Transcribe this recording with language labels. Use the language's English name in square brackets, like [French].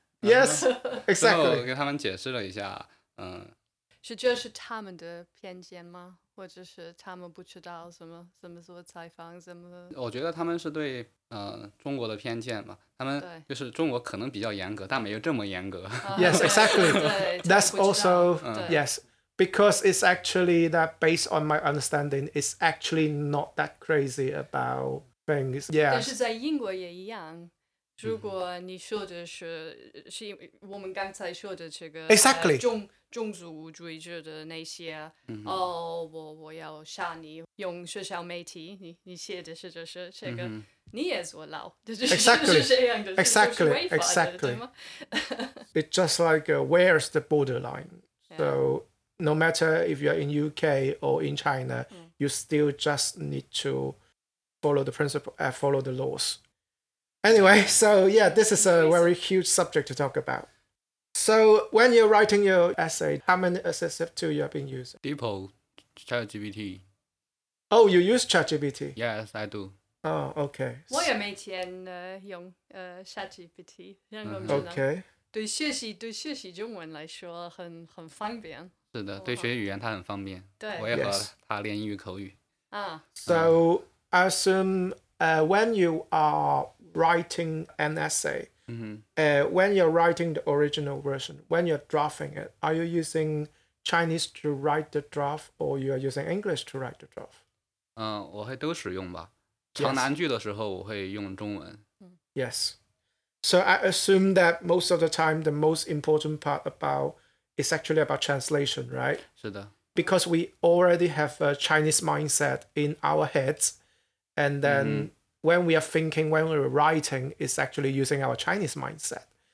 [English] yes, exactly. [Chinese] 我给他们解释了一下，是这是他们的偏见吗？或者是他们不知道怎么做采访，怎么？我觉得他们是对中国的偏见吧。他们就是中国可能比较严格，但没有这么严格。 [English] Yes, exactly. That's also yes, because it's actually that based on my understanding, it's actually not that crazy about. Things, yeah. [Chinese] 但是在英国也一样，如果你说的是、是我们刚才说的这个、 [English] exactly. [Chinese] 种族主义者的那些、我要杀你，用社交媒体 你写的是这是这个、你也坐牢、 [English] exactly. [Chinese] 是这样的 [English] exactly. [Chinese] 是违法的、 [English] exactly. [Chinese] 对吗？ [English] It's just like、where's the borderline、so no matter if you're in UK or in China、you still just need toto follow the principle, follow the laws. Anyway, so yeah, this is a very huge subject to talk about. So when you're writing your essay, how many assistive tools you have been using? DeepL, ChatGPT. Oh, you use ChatGPT? Yes, I do. Oh, okay. [Chinese] 我也每天用ChatGPT， 让我们知道。 [English] Okay. [Chinese] 对学习中文来说很方便。是的，对学习语言它很方便。对。我也和它练英语口语。 [English] So. I assume when you are writing an essay,、when you're writing the original version, when you're drafting it, are you using Chinese to write the draft or you are using English to write the draft? [Chinese] 我会都使用吧。长难句的时候我会用中文。 [English] Yes. So I assume that most of the time the most important part about is actually about translation, right? [Chinese] 是的。 [English] Because we already have a Chinese mindset in our heads,And then、when we are thinking, when we're writing, it's actually using our Chinese mindset.